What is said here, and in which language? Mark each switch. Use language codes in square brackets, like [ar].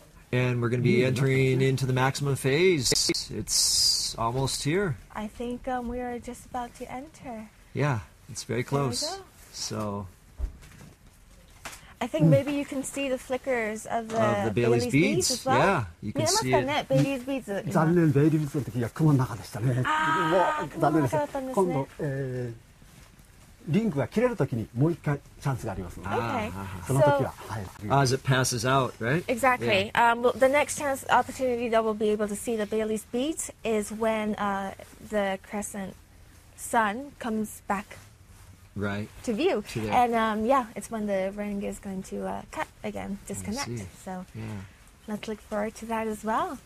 [en] And we're going to be entering into the maximum phase. It's almost here. I think we are just about to enter. Yeah, it's very close. There we go. So. I think maybe you can see the flickers of the Bailey's beads as well. Yeah, you can see it. [ja] 見えますかね、残念、ベイリーズの時は雲の中でしたね。ああ、雲の中だったんですね。今度、リングが切れる時にもう一回チャンスがありますので、その時は、 [en] As it passes out, right? Exactly. The next chance opportunity that we'll be able to see the Bailey's beads is when the crescent sun comes back. Right. To view. And it's when the ring is going to cut again, disconnect. So let's look forward to that as well.